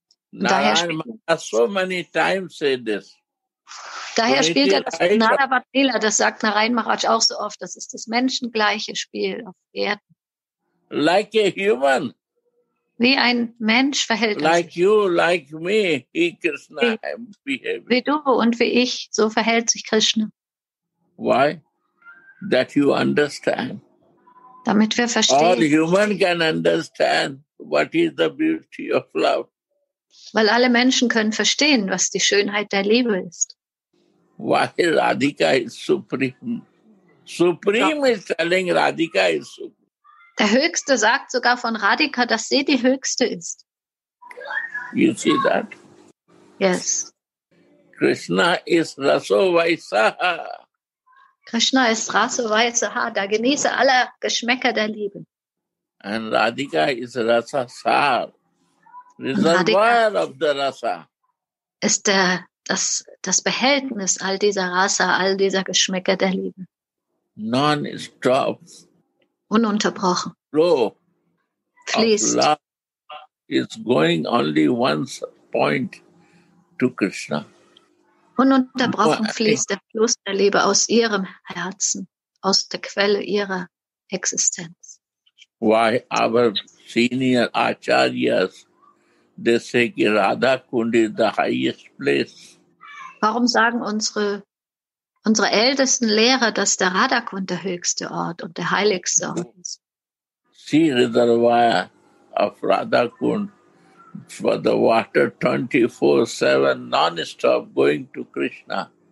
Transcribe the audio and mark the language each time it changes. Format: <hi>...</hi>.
<de>Daher spielt er das Narvada Lila, das sagt Narayan Maharaj auch so oft, das ist das menschengleiche Spiel auf Erden.</de> <en>like a human.</en> <de>Wie ein Mensch verhält er</de> <en>like</en> <de>sich.</de> <en>You, like me, he Krishna I'm behaving.</en> <de>Wie du und wie ich, so verhält sich Krishna.</de> <en>Why? That you understand.</en> <de>Damit wir verstehen.</de> <en>All human can understand what is the beauty of love.</en> <de>Weil alle Menschen können verstehen, was die Schönheit der Liebe ist.</de> <en>Why Radhika is supreme? Supreme is telling Radhika is supreme.</en> <de>Der Höchste sagt sogar von Radhika, dass sie die Höchste ist.</de> <en>You see that? Yes. Krishna is Raso Vaisaha.</en> <de>Krishna ist Raso Vaisaha, der Genießer aller Geschmäcker der Liebe.</de> <en>And Radhika is Rasa Sar. Reservoir of the Rasa.</en> <de>Ist der, das Behältnis all dieser Rasa, all dieser Geschmäcker der Liebe.</de> <en>Non-stop.</en> <de>Ununterbrochen.</de> <en>Flow.</en> <de>Fließt.</de> <en>Of love is going only one point to Krishna.</en> <de>Ununterbrochen fließt der Fluss der Liebe aus ihrem Herzen, aus der Quelle ihrer Existenz.</de> <en>Why our senior acharyas, they say Radha Kund is the highest place.</en> <de>Warum sagen unsere ältesten Lehrer, dass der Radha Kund der höchste Ort und der heiligste Ort ist?</de> <en>See reservoir of Radha Kund for the water 24/7 non-stop going to Krishna.</en>